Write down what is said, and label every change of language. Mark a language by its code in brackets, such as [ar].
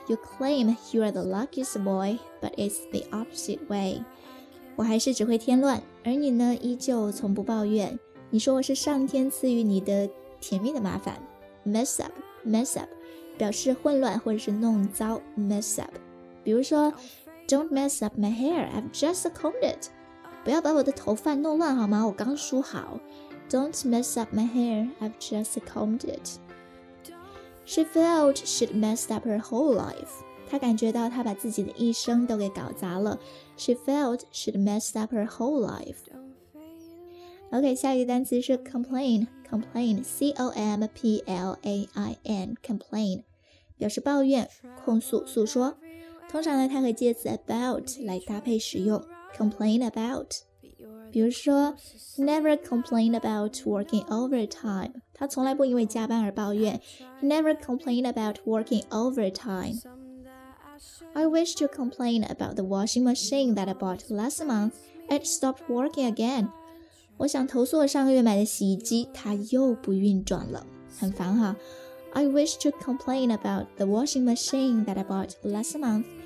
[en] You claim you are the luckiest boy, but it's the opposite way. [zh] 我还是只会添乱，而你呢，依旧从不抱怨。你说我是上天赐予你的甜蜜的麻烦。 Mess up, 表示混乱或者是弄糟。 [en] Mess up, [zh] 比如说 [en] ，Don't mess up my hair. I've just combed it. [zh] 不要把我的头发弄乱好吗？我刚梳好。 [en] Don't mess up my hair. I've just combed it. She felt she'd messed up her whole life. [zh] 她感觉到她把自己的一生都给搞砸了。 [en] She felt she'd messed up her whole life. OK, [zh] 下一个单词是 [en] complain, C-O-M-P-L-A-I-N, complain, [zh] 表示抱怨、控诉、诉说。通常呢，它和介词 about 来搭配使用。Complain about. 比如说 [en] ,never complain about working overtime. [zh] 他从来不因为加班而抱怨。 [en] Never complain about working overtime. I wish to complain about the washing machine that I bought last month. It stopped working again. [zh] 我想投诉我上个月买的洗衣机它又不运转了。很烦哈。 [en] I wish to complain about the washing machine that I bought last month.